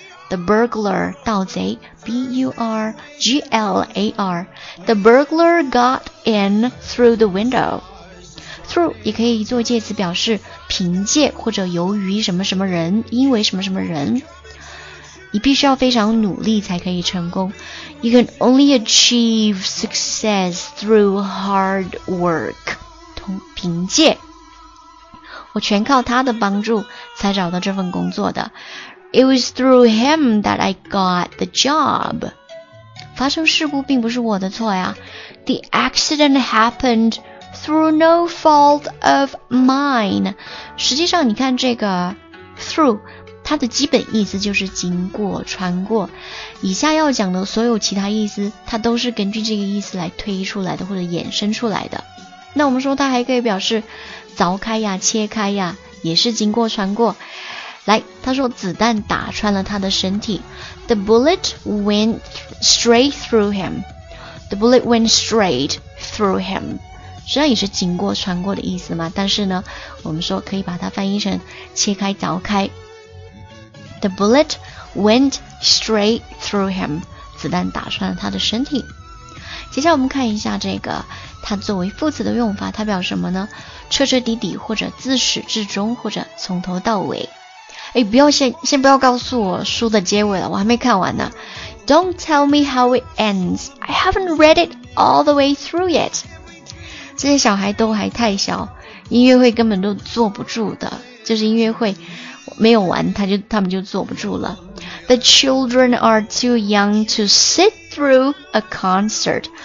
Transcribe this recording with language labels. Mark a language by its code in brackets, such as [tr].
[en] The burglar, 盗贼 B-U-R-G-L-A-R. The burglar got in through the window. [zh] Through 也可以做介词表示凭借或者由于什么什么人，因为什么什么人。你必须要非常努力才可以成功。 [en] You can only achieve success through hard work. [zh] 凭借。我全靠他的帮助才找到这份工作的。 [en] It was through him that I got the job. [zh] 发生事故并不是我的错呀。 [en] The accident happened through no fault of mine. [zh] 实际上你看这个 through,它的基本意思就是经过、穿过，以下要讲的所有其他意思它都是根据这个意思来推出来的或者衍生出来的。那我们说它还可以表示凿开呀、切开呀，也是经过、穿过。来，他说子弹打穿了他的身体。 [en] The bullet went straight through him. The bullet went straight through him. [zh] 实际上也是经过、穿过的意思嘛，但是呢我们说可以把它翻译成切开、凿开。 [en] The bullet went straight through him. [zh] 子弹打穿了他的身体。接下来我们看一下这个它作为副词的用法，它表示什么呢？彻彻底底或者自始至终或者从头到尾。诶，不要先不要告诉我书的结尾了，我还没看完呢。 [en] Don't tell me how it ends. I haven't read it all the way through yet. [zh] 这些小孩都还太小，音乐会根本都坐不住的，就是音乐会没有完他们就坐不住了。 [en] The children are too young to sit through a concert.